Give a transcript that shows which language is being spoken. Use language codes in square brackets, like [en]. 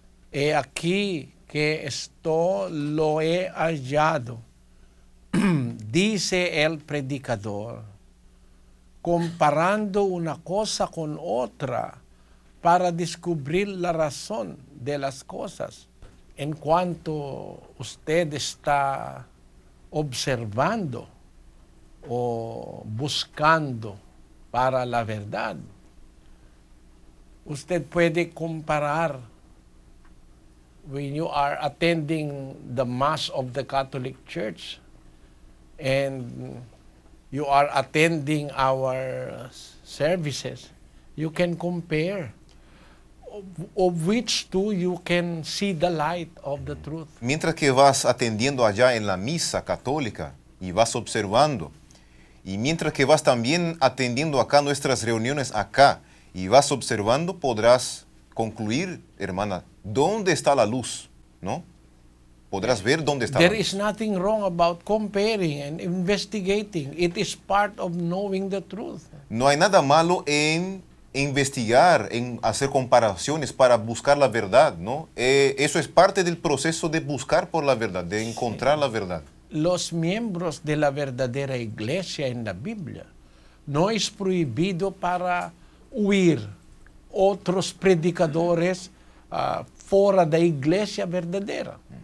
[es] He aquí que esto lo he hallado, dice el predicador, comparando una cosa con otra para descubrir la razón de las cosas. En cuanto usted está observando o buscando para la verdad, usted puede comparar. [en] When you are attending the mass of the Catholic Church, and you are attending our services, you can compare of which two you can see the light of the truth. [es] Mientras que vas atendiendo allá en la misa católica y vas observando, y mientras que vas también atendiendo acá nuestras reuniones acá y vas observando, podrás concluir, hermana, ¿dónde está la luz? ¿No? Podrás ver dónde está. [en] There is nothing wrong about comparing and investigating. It is part of knowing the truth. [es] No hay nada malo en investigar, en hacer comparaciones para buscar la verdad, ¿no? Eso es parte del proceso de buscar por la verdad, de encontrar la verdad. Los miembros de la verdadera iglesia en la Biblia no es prohibido para huir otros predicadores fuera de la iglesia verdadera.